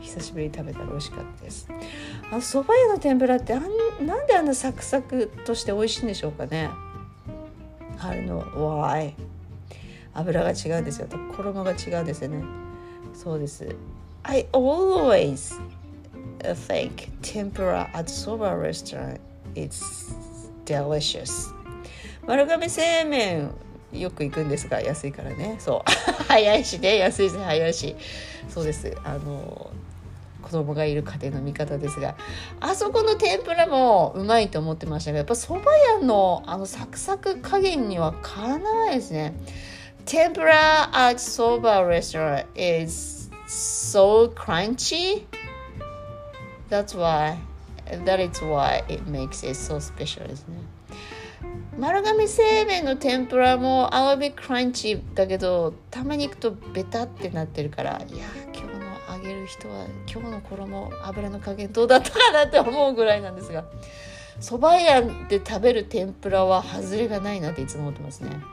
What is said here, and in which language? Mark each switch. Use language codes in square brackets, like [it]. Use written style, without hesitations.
[ja] 久しぶりに食べたら美味しかったです。あの蕎麦屋の天ぷらって、あん、なんであんなサクサクとして美味しいんでしょうかね。あれの [en] why? [ja] 油が違うんですよ。と衣が違うんですよね。そうです。 [en] I always think tempura at soba restaurant is delicious. [ja] 丸亀製麺よく行くんですが、安いからね。そう早いしね、安いし早いし、そうです、あの子供がいる家庭の味方ですが、あそこの天ぷらもうまいと思ってましたが、やっぱそば屋のあのサクサク加減にはかなわないですね。 [en] 天ぷら at soba restaurant is so crunchy. That's why it makes it so special, isn't it? [ja] 丸亀製麺の天ぷらもあわびクランチだけど、たまに行くとベタってなってるから、いや今日の揚げる人は今日の衣油の加減どうだったかなって思うぐらいなんですが、そば屋で食べる天ぷらは外れがないなっていつも思ってますね。